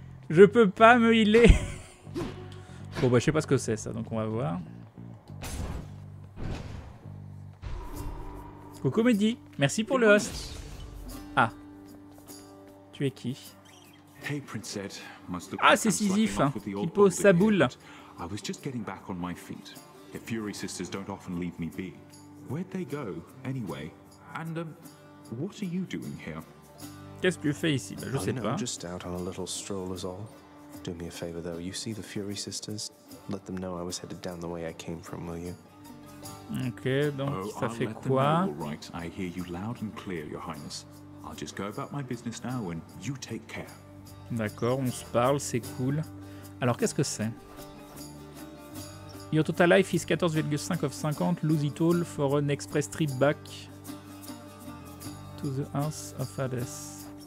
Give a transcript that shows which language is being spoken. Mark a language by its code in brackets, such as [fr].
[fr] Bon, bah, je sais pas ce que c'est, ça, donc on va voir. Coucou, Mehdi, merci pour le host! Ah! Tu es qui? [en] Hey, Princette! [fr] Ah, c'est Sisyphe, hein, qui pose sa boule. [en] I was just getting back on my feet. The Fury sisters don't often leave me be. Where'd they go anyway? And what are you doing here? [fr] Qu'est-ce que tu fais ici? Ben, je sais pas. [en] I'm just out on a little stroll is all. Do me a favor though. You see the Fury sisters? Let them know I was headed down the way I came from, will you? [fr] OK, donc ça fait quoi? [en] All right. I hear you loud and clear, your highness. I'll just go about my business now and you take care. [fr] D'accord, on se parle, c'est cool. Alors, qu'est-ce que c'est? [en] Your total life is 14,5 of 50. Lose it all for an express trip back to the house of Hades.